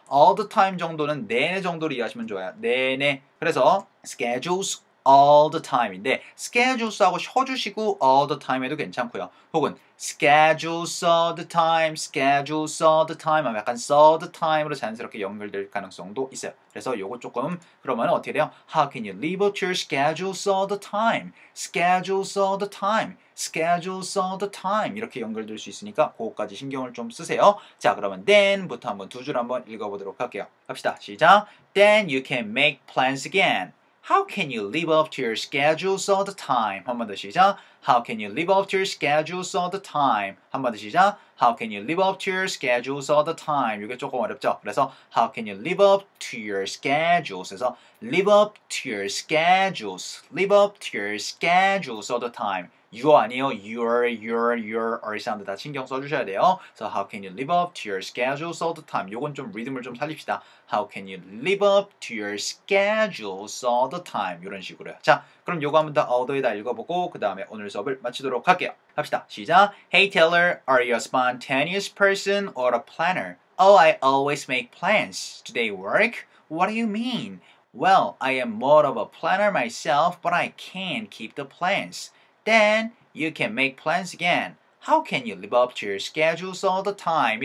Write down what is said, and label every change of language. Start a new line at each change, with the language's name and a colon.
Korean: all the time 정도는 내내 정도로 이해하시면 좋아요. 내내 그래서
English: schedules all the time
Korean: 인데 schedules 하고 쉬어주시고 all the time에도 괜찮고요.
English: 혹은 schedules all the time, schedules all the time 하면 약간 all the time으로
Korean: 자연스럽게 연결될 가능성도 있어요. 그래서 요거 조금 그러면 어떻게 돼요?
English: How can you live up to your schedules all the time? schedules all the time, schedules all the time
Korean: 이렇게 연결될 수 있으니까 그것까지 신경을 좀 쓰세요. 자 그러면 then부터 한번 두 줄 한번 읽어보도록 할게요. 갑시다. 시작!
English: Then you can make plans again. How can you live up to your schedules all the time?
Korean: 한 번 더 시작.
English: How can you live up to your schedules all the time?
Korean: 한 번 더 시작.
English: How can you live up to your schedules all the time?
Korean: 이게 조금 어렵죠? 그래서
English: How can you live up to your schedules? 그래서 live up to your schedules. Live up to your schedules all the time.
Korean: You 아니에요.
English: Your, or
Korean: 이 사운드 다 신경 써주셔야 돼요.
English: So how can you live up to your schedules all the time?
Korean: 요건 좀 리듬을 좀 살립시다.
English: How can you live up to your schedules all the time?
Korean: 이런 식으로요. 자, 그럼 요거 한번 더 어더에다 읽어보고 그 다음에 오늘 수업을 마치도록 할게요. 갑시다. 시작!
English: Hey Taylor, are you a spontaneous person or a planner? Oh, I always make plans. Do they work? What do you mean? Well, I am more of a planner myself, but I can't keep the plans. Then you can make plans again. How can you live up to your schedules all the time?